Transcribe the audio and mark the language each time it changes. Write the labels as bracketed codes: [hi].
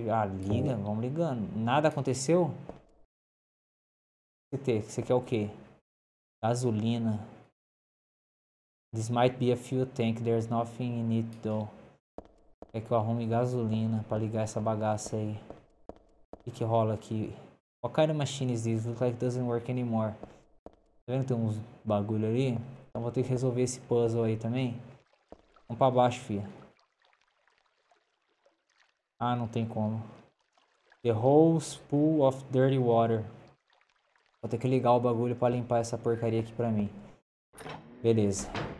[pt] Ah, liga, vamos ligando. Nada aconteceu? CT, você quer o quê? Gasolina. [en] This might be a fuel tank. There's nothing in it though. [pt] Quer que eu arrume gasolina pra ligar essa bagaça aí? O que, que rola aqui? [en] What kind of machine is this? Looks like it doesn't work anymore. [pt] Tá vendo que tem uns bagulho ali? Então vou ter que resolver esse puzzle aí também. Vamos pra baixo, filha. Ah, não tem como. [en] The hose pool of dirty water. [pt] Vou ter que ligar o bagulho pra limpar essa porcaria aqui pra mim. Beleza.